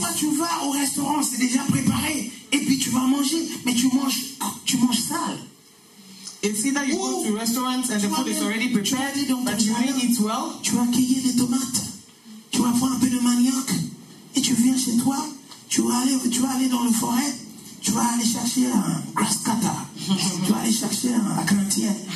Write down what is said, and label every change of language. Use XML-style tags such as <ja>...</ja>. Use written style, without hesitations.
<fr>Soit tu vas au restaurant, c'est déjà préparé. Et puis tu vas manger. Mais tu manges sale.</fr> <en>It's either you go to restaurants and the food is already prepared, but you may eat well.</en> <fr>Tu vas cueillir des tomates, tu vas prendre un peu de manioc, et tu viens chez toi, tu vas aller dans le forêt, tu vas aller chercher un grass cutter, tu vas aller chercher un acrantien.</fr>